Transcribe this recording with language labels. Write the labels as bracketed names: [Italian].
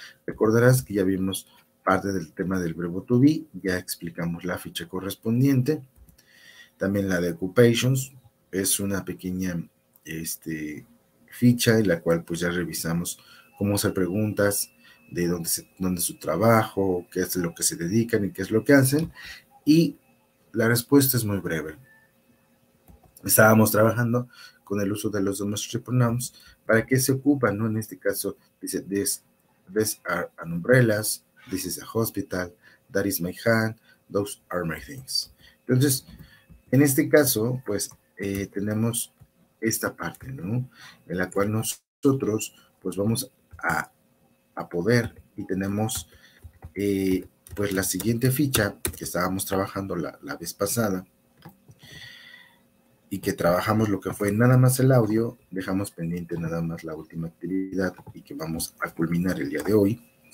[Spanish] Recordarás que ya vimos parte del tema del verbo to be, ya explicamos la ficha correspondiente, también la de occupations, es una pequeña ficha en la cual pues ya revisamos cómo hacer preguntas, de dónde es su trabajo, qué es lo que se dedican y qué es lo que hacen. Y la respuesta es muy breve. Estábamos trabajando con el uso de los demonstrative pronouns. ¿Para qué se ocupan? ¿No? En este caso, dice, [English] these are an umbrellas, this is a hospital, that is my hand, those are my things. [Spanish] Entonces, en este caso, pues, tenemos esta parte, ¿no? En la cual nosotros, pues, vamos a poder, y tenemos pues la siguiente ficha que estábamos trabajando la vez pasada y que trabajamos lo que fue nada más el audio, dejamos pendiente nada más la última actividad y que vamos a culminar el día de hoy.